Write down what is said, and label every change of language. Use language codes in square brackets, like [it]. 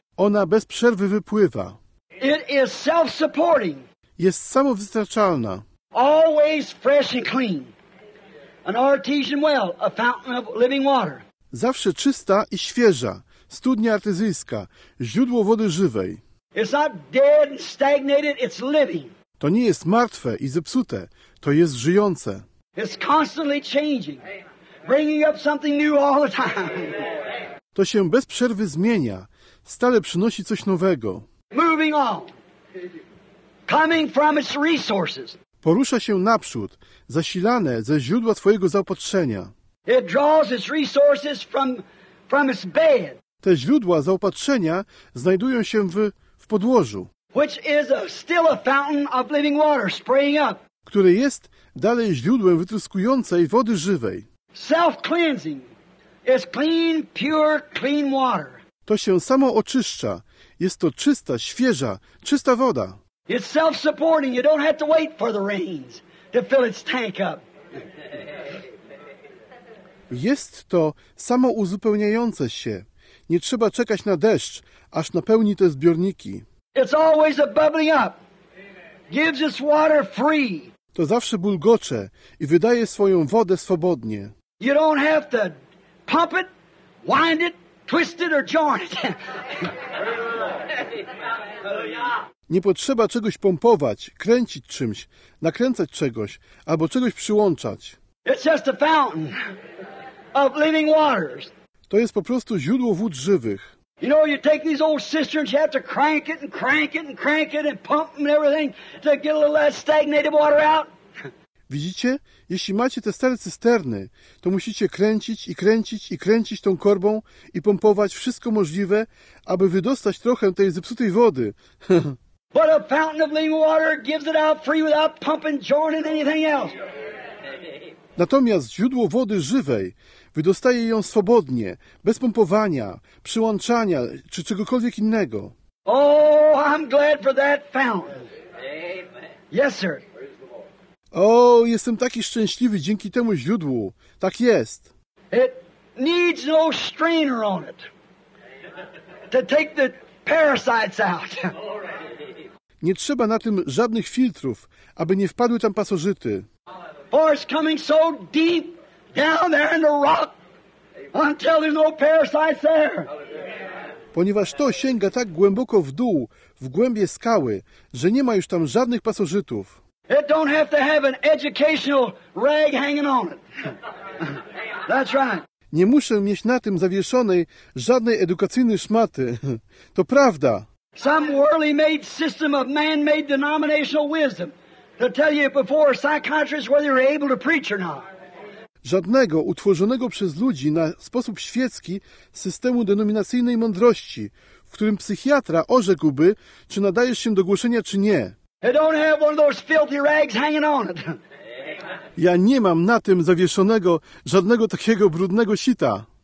[pl] Ona bez przerwy wypływa. [en] It is self-supporting. [pl] Jest samowystarczalna. [en] Always fresh and clean. An artesian well, a fountain of living water. [pl] Zawsze czysta i świeża. Studnia artezyjska, źródło wody żywej. [en] It's not dead and stagnated, it's living. [pl] To nie jest martwe i zepsute, to jest żyjące. [en] It's constantly changing, bringing up something new all the time. [pl] To się bez przerwy zmienia, stale przynosi coś nowego. [en] Moving on. Coming from its resources. [pl] Porusza się naprzód, zasilane ze źródła twojego zaopatrzenia. [en] It draws its resources from its bed. [pl] Te źródła zaopatrzenia znajdują się w podłożu. [en] Which is still a fountain of living water spraying up. [pl] Które jest dalej źródłem wytryskującej wody żywej. [en] Self-cleansing is clean, pure, clean water. [pl] To się samo oczyszcza. Jest to czysta, świeża, czysta woda. [en] It's self-supporting. You don't have to wait for the rains to fill its tank up. [pl] Jest to samo uzupełniające się. Nie trzeba czekać na deszcz, aż napełni te zbiorniki. [en] It's always a bubbling up. Gives its water free. [pl] To zawsze bulgocze i wydaje swoją wodę swobodnie. [en] You don't have to pump it, wind it, twist it or join it. [pl] Nie potrzeba czegoś pompować, kręcić czymś, nakręcać czegoś albo czegoś przyłączać. [en] It's just a fountain of living waters. [pl] To jest po prostu źródło wód żywych. [en] You know, you take these old cisterns, you have to crank it and crank it and crank it and pump them and everything to get a little less stagnated water out. [pl] Widzicie, jeśli macie te stare cysterny, to musicie kręcić i kręcić i kręcić tą korbą i pompować wszystko możliwe, aby wydostać trochę tej zepsutej wody. [en] But a fountain of living water gives it out free without pumping, joining anything else. [pl] Natomiast źródło wody żywej wydostaje ją swobodnie, bez pompowania, przyłączania czy czegokolwiek innego. [en] Oh, I'm glad for that fountain. Amen. Yes, sir. [pl] O, jestem taki szczęśliwy dzięki temu źródłu. Tak jest. [en] It needs no strainer on it to take the parasites out. [pl] Nie trzeba na tym żadnych filtrów, aby nie wpadły tam pasożyty. [en] For it's coming so deep down there in the rock until there's no parasites there. [pl] Ponieważ to sięga tak głęboko w dół, w głębie skały, że nie ma już tam żadnych pasożytów. [en] It don't have to have an educational rag hanging on it. That's right. [pl] Nie muszę mieć na tym zawieszonej żadnej edukacyjnej szmaty. To prawda. [en] Some worldly made system of man-made denominational wisdom to tell you before psychiatrists whether you're able to preach or not. [pl] Żadnego utworzonego przez ludzi na sposób świecki systemu denominacyjnej mądrości, w którym psychiatra orzekłby, czy nadajesz się do głoszenia, czy nie. [en] It don't have one of those filthy rags hanging on it. [pl] Ja nie mam na tym zawieszonego żadnego takiego brudnego sita.